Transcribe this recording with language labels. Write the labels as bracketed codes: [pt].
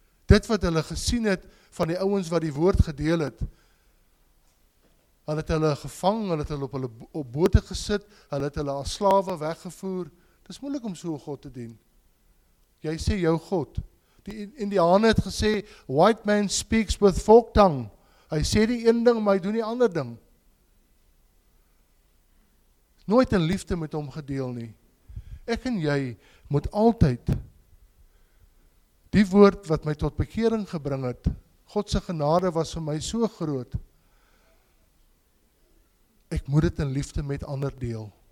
[af] Dit wat hulle gesien het van die ouens wat die woord gedeel het, hulle het hulle gevang, hulle het hulle op hulle op bote gesit, hulle het hulle as slawe weggevoer. Dis moeilik om so 'n God te dien. Jy sê jou God. Die Indiane het gesê, [en] white man speaks with forked tongue. [af] Hy sê die een ding, maar hy doen die ander ding. Nooit in liefde met hom gedeel nie. Ek en jy moet altyd die woord wat my tot bekering gebring het, God se genade was vir my so groot, ek moet dit in liefde met ander deel.